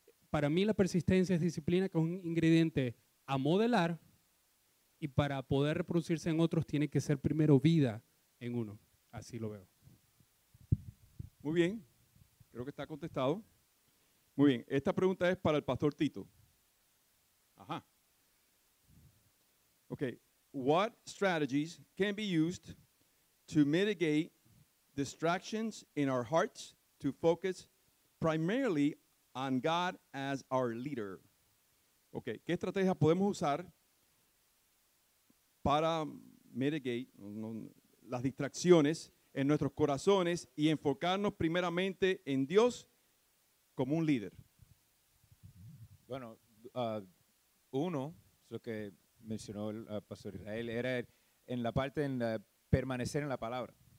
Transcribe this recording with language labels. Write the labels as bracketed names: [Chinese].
[Spanish] Para mí la persistencia es disciplina que es un ingrediente a modelar y para poder reproducirse en otros tiene que ser primero vida en uno. Así lo veo. Muy bien, creo que está contestado. Muy bien, esta pregunta es para el pastor Tito. Ajá. [English] Okay, what strategies can be used to mitigate distractions in our hearts to focus primarily on God as our leader? [Spanish] Okay, ¿qué estrategias podemos usar para mitigate las distracciones en nuestros corazones y enfocarnos primeramente en Dios como un líder? Bueno, uno, lo que mencionó el pastor Israel, era en la parte de permanecer en la palabra.